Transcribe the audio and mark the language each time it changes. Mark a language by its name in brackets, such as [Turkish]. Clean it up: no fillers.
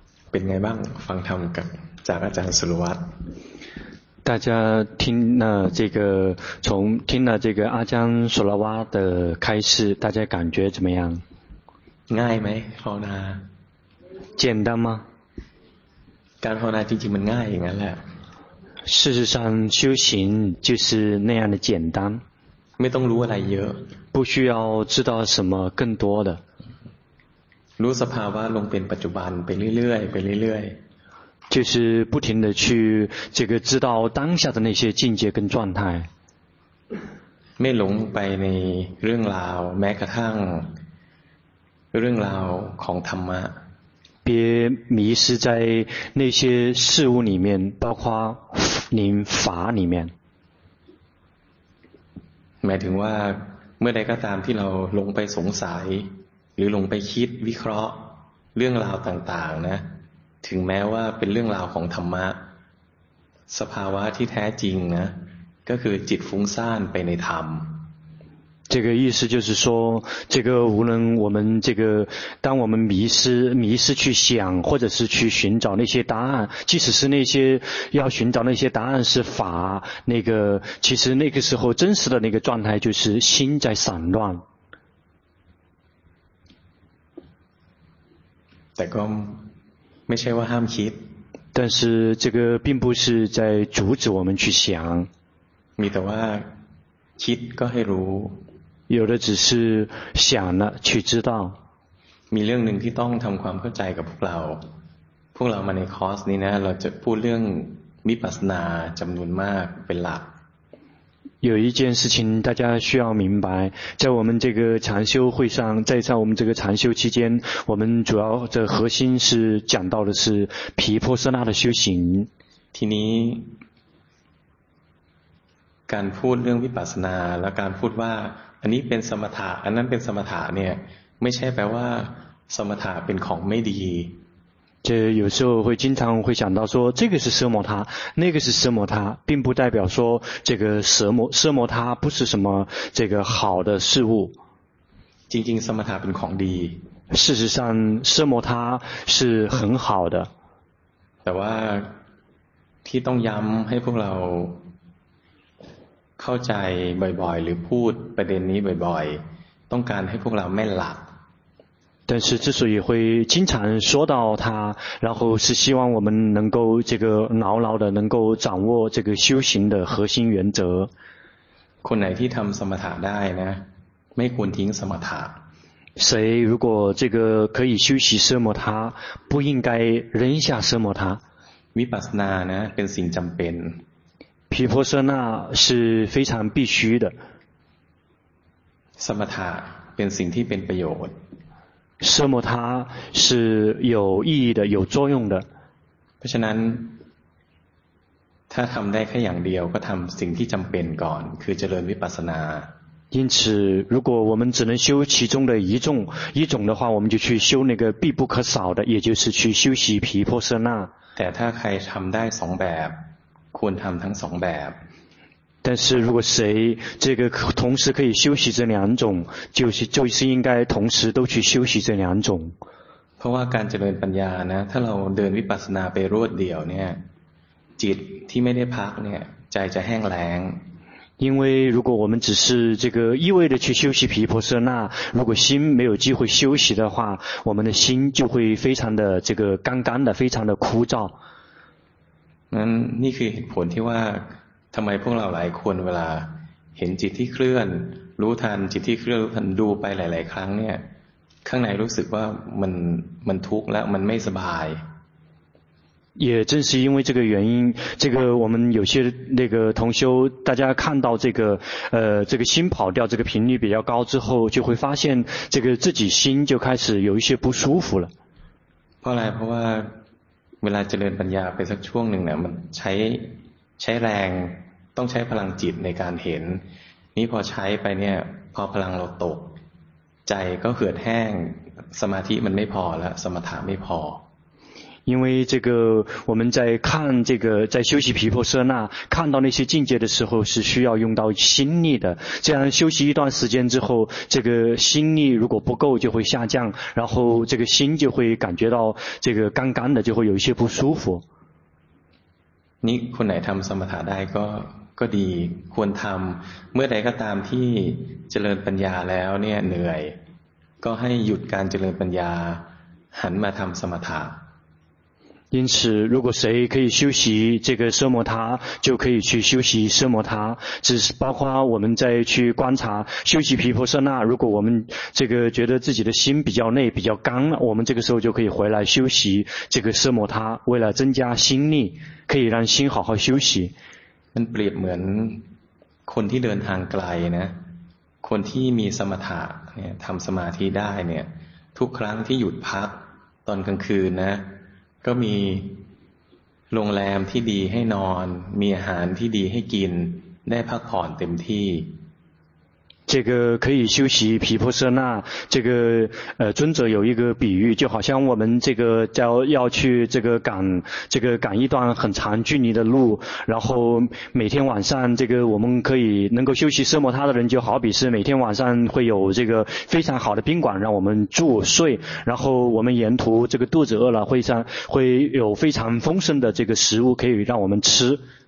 [Thai] เป็นไงบ้างฟังธรรมกับจากอาจารย์สุรวัตร [Chinese] 大家听了这个从听了这个阿江苏拉瓦的开示大家感觉怎么样 [Thai] ง่ายไหมภาวนา [Chinese] 简单吗 [Thai] การภาวนาจริงๆมันง่ายอย่างนั้นแหละ [Chinese] 事实上修行就是那样的简单 [Thai] ไม่ต้องรู้อะไรเยอะ [Chinese] 不需要知道什么更多的 [Thai] รู้สภาวะลงเป็นปัจจุบันไปเรื่อยๆไปเรื่อย [Chinese] ๆ就是不停的去这个知道当下的那些境界跟状态 [Thai] ไม่หลงไปในเรื่องราวแม้กระทั่งเรื่องราวของธรรมะ [Chinese] 别迷失在那些事物里面包括您法里面 [Thai] หมายถึงว่าเมื่อใดก็ตามที่เราลงไปสงสัยหรือลงไปคิดวิเคราะห์เรื่องราวต่างๆนะถึงแม้ว่าเป็นเรื่องราวของธรรมะสภาวะที่แท้จริงนะก็คือจิตฟุ้งซ่านไปในธรรม [Chinese] 这个意思就是说这个无论我们这个当我们迷失去想或者是去寻找那些答案即使是那些要寻找那些答案是法那个其实那个时候真实的那个状态就是心在散乱 [Thai] แต่ก็ไม่ใช่ว่าห้ามคิด [Chinese] 但是这个并不是在阻止我们去想 [Thai] มีแต่ว่าคิดก็ให้รู้ [Chinese] 有的只是想了去知道 [Thai] มีเรื่องหนึ่งที่ต้องทำความเข้าใจกับพวกเราพวกเรามาในคอร์สนี้นะเราจะพูดเรื่องวิปัสสนาจำนวนมากเป็นหลัก [Chinese] 有一件事情大家需要明白，在我们这个禅修会上，在我们这个禅修期间，我们主要的核心是讲到的是毗婆舍那的修行。 [Thai] ทีนี้การพูดเรื่องวิปัสสนาและการพูดว่าอันนี้เป็นสมถะอันนั้นเป็นสมถะเนี่ยไม่ใช่แปลว่าสมถะเป็นของไม่ดี [Chinese] 就有时候会经常会想到说这个是奢摩他那个是奢摩他并不代表说这个奢摩他不是什么这个好的事物仅仅奢摩他并狂地事实上奢摩他是很好的但是提动 [Thai] ย้ำให้พวกเราเข้าใจบ่อยๆหรือพูดประเด็นนี้บ่อยๆต้องการให้พวกเราแม่นหลัก [Chinese] 但是之所以会经常说到它然后是希望我们能够这个牢牢的能够掌握这个修行的核心原则 [Thai] คนไหนที่ทำสมถะได้นะไม่ควรทิ้งสมถะ [Chinese] 谁如果这个可以修习奢摩他不应该扔下奢摩他 [Thai] วิปัสสนานะเป็นสิ่งจำเป็น [Chinese] 毗婆舍那是非常必须的 [Thai] สมถะเป็นสิ่งที่เป็นประโยชน์ [Chinese] 奢摩他是有意义的有作用的 [Thai] เพราะฉะนั้นถ้าทำได้แค่อย่างเดียวก็ทำสิ่งที่จำเป็นก่อนคือเจริญวิปัสสนา [Chinese] 因此如果我们只能修其中的一种的话我们就去修那个必不可少的也就是去修习毗婆舍那 [Thai] แต่ถ้าใครทำได้สองแบบควรทำทั้งสองแบบ [Chinese] 但是如果谁这个同时可以修习这两种就是应该同时都去修习这两种 [Thai] เพราะว่าการเจริญปัญญานะถ้าเราเดินวิปัสสนาไปรวดเดียวเนี่ยจิตที่ไม่ได้พักเนี่ยใจจะแห้งแล้ง [Chinese] 因为如果我们只是这个一味的去修习毗婆舍那如果心没有机会休息的话我们的心就会非常的这个干干的非常的枯燥 [Thai] นี่คือเหตุผลที่ว่าทำไมพวกเราหลายคนเวลาเห็นจิตที่เคลื่อนรู้ทันจิตที่เคลื่อนรู้ทันดูไปหลายๆครั้งเนี่ยข้างในรู้สึกว่ามันทุกข์และมันไม่สบาย [Chinese] 也正是因为这个原因这个我们有些那个同修大家看到这个这个心跑掉这个频率比较高之后就会发现这个自己心就开始有一些不舒服了 [Thai] เพราะอะไรเพราะว่าเวลาเจริญปัญญาไปสักช่วงหนึ่งเนี่ยมันใช้แรงต้องใช้พลังจิตในการเห็นนี่พอใช้ไปเนี่ยพอพลังเราตกใจก็เหือดแห้งสมาธิมันไม่พอแล้วสมถะไม่พอ [Chinese] 因为这个我们在看这个在修习毗婆舍那看到那些境界的时候是需要用到心力的这样修习一段时间之后这个心力如果不够就会下降然后这个心就会感觉到这个干干的就会有一些不舒服 [Thai] นี่คนไหนทำสมถะได้ก็ดีควรทำเมื่อใดก็ตามที่เจริญปัญญาแล้วเนี่ยเหนื่อยก็ให้หยุดการเจริญปัญญาหันมาทำสมถะ [Chinese] 因此如果谁可以修习这个奢摩他就可以去修习奢摩他只是包括我们再去观察修习毗婆舍那如果我们这个觉得自己的心比较内比较刚我们这个时候就可以回来修习这个奢摩他为了增加心力可以让心好好休息 [Thai] มันเปรียบเหมือนคนที่เดินทางไกลนะคนที่มีสมถะเนี่ยทำสมาธิได้เนี่ยทุกครั้งที่หยุดพักตอนกลางคืนนะก็มีโรงแรมที่ดีให้นอนมีอาหารที่ดีให้กินได้พักผ่อนเต็มที่ [Chinese] 这个可以修习毗婆舍那这个尊者有一个比喻就好像我们这个要去赶一段很长距离的路然后每天晚上这个我们可以能够休息奢摩他的人就好比是每天晚上会有这个非常好的宾馆让我们住睡然后我们沿途这个肚子饿了会有非常丰盛的这个食物可以让我们吃